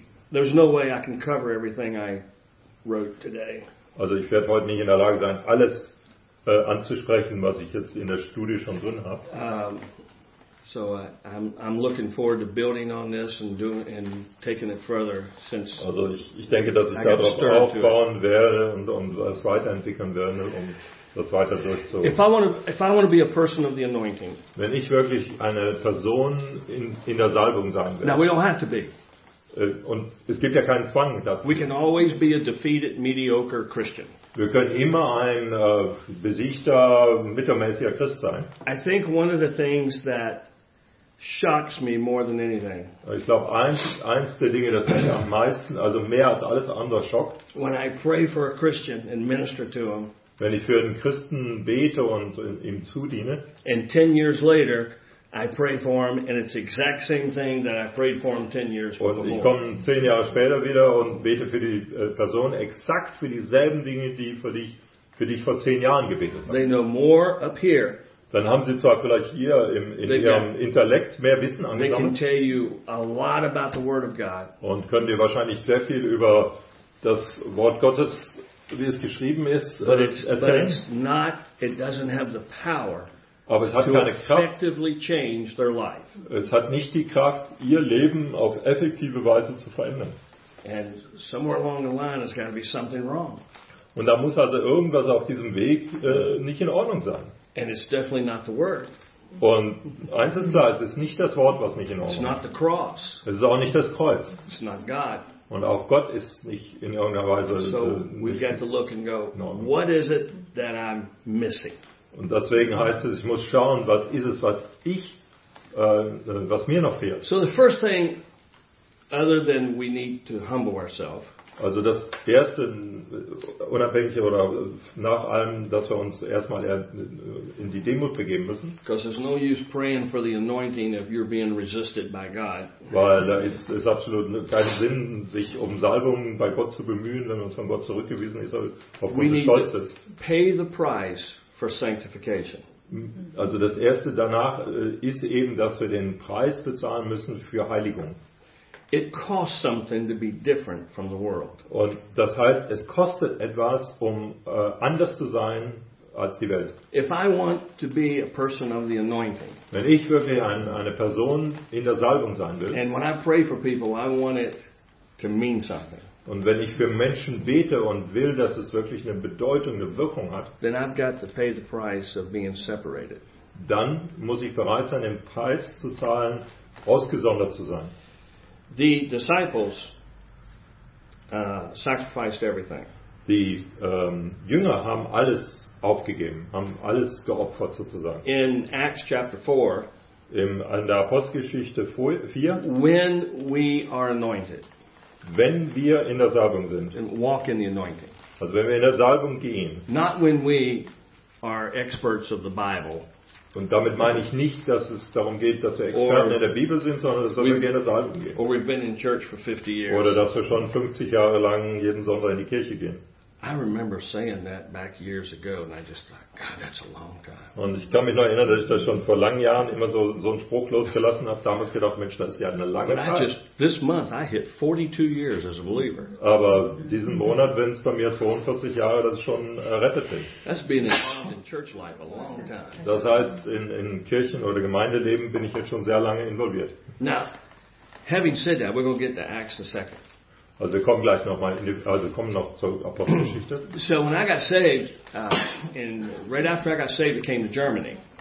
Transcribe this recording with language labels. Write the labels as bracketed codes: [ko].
[en] There's no way I can cover everything I wrote today. [de] Also ich werde heute nicht in der Lage sein, alles anzusprechen, was ich jetzt in der Studie schon drin habe. [en] So I'm looking forward to building on this and doing and taking it further since. [de] Also ich denke, dass ich darauf aufbauen werde und es weiterentwickeln werde, um das weiter durchzuführen. [en] If I want to be a person of the anointing. [de] Wenn ich wirklich eine Person in der Salbung sein will. [en] Now we don't have to be. [de] Und es gibt ja keinen Zwang dazu. [en] We can always be a defeated, mediocre Christian. [de] Wir können immer ein besiegter, mittelmäßiger Christ sein. [en] I think one of the things that shocks me more than anything. [de] Ich glaube, eins der Dinge, das mich am meisten, also mehr als alles andere schockt. [en] When I pray for a Christian and minister to him. [de] Wenn ich für einen Christen bete und ihm zudiene. [en] And 10 years later. I pray for him, and it's the exact same thing that I prayed for him 10 years before. [de] Und ich komme 10 Jahre später wieder und bete für die Person exakt für dieselben Dinge, die für dich vor 10 Jahren gebetet habe. [en] They know more up here. [de] Dann haben sie zwar vielleicht hier in ihrem Intellekt mehr Wissen angesammelt. [en] They can tell you a lot about the Word of God. [de] Und können dir wahrscheinlich sehr viel über das Wort Gottes, wie es geschrieben ist, erzählen. [en] But it's not. It doesn't have the power. [de] Aber es hat keine Kraft. [en] Change their life. [de] Es hat nicht die Kraft, ihr Leben auf effektive Weise zu verändern. [en] And somewhere along the line, there's got to be something wrong. [de] Und da muss also irgendwas auf diesem Weg nicht in Ordnung sein. [en] And it's definitely not the word. [de] Und eins ist klar: Es ist nicht das Wort, was nicht in Ordnung ist. [en] It's not the cross. [de] Es ist auch nicht das Kreuz. [en] It's not God. [de] Und auch Gott ist nicht in irgendeiner Weise. [en] So we've got to look and go. What is it that I'm missing? [de] Und deswegen heißt es, ich muss schauen, was ist es, was ich, was mir noch fehlt. [en] So the first thing, other than we need to humble ourselves. [de] Also das Erste, unabhängig oder nach allem, dass wir uns erstmal in die Demut begeben müssen. [en] Because there's no use praying for the anointing if you're being resisted by God. [de] Weil da ist absolut kein Sinn, sich um Salbung bei Gott zu bemühen, wenn man von Gott zurückgewiesen ist, aufgrund des Stolzes. [en] We need to pay the price. For sanctification. [de] Also das erste danach ist eben, dass wir den Preis bezahlen müssen für Heiligung. [en] It costs something to be different from the world. [de] Und das heißt, es kostet etwas, um anders zu sein als die Welt. [en] If I want to be a person of the anointing. [de] Wenn ich wirklich eine Person in der Salbung sein will. [en] And when I pray for people, I want it to mean something. [de] Und wenn ich für Menschen bete und will, dass es wirklich eine Bedeutung, eine Wirkung hat, [en] then I've got to pay the price of being separated. [de] Dann muss ich bereit sein, den Preis zu zahlen, ausgesondert zu sein. [en] The disciples sacrificed everything. [de] Die Jünger haben alles aufgegeben, haben alles geopfert sozusagen. [en] In Acts chapter 4, [de] in der Apostelgeschichte 4, [en] when we are anointed. [de] Wenn wir in der Salbung sind, [en] walk in the anointing. [de] Also wenn wir in der Salbung gehen, [en] not when we are experts of the Bible. [de] Und damit meine ich nicht, dass es darum geht, dass wir Experten in der Bibel sind, sondern dass wir in der Salbung gehen. [en] Or we've been in church for 50 years. [de] Oder dass wir schon 50 Jahre lang jeden Sonntag in die Kirche gehen. [en] I remember saying that back years ago, and I just thought, God, that's a long time. [de] Und ich kann mich noch erinnern, dass ich das schon vor langen Jahren immer so einen Spruch losgelassen habe. Damals gedacht, Mensch, das ist ja eine lange Zeit. [en] This month I hit 42 years as a believer. [de] Aber diesen Monat, wenn es bei mir 42 Jahre, das ist schon errettet bin. [en] That's been involved in church life a long time. [de] Das heißt, in Kirchen- oder Gemeindeleben bin ich jetzt schon sehr lange involviert. [en] Now, having said that, we're going to get to Acts in a second. [de] Also wir kommen gleich noch mal in die, also kommen noch zur Apostelgeschichte. [en] So when I got saved, right after I got saved, I came to Germany.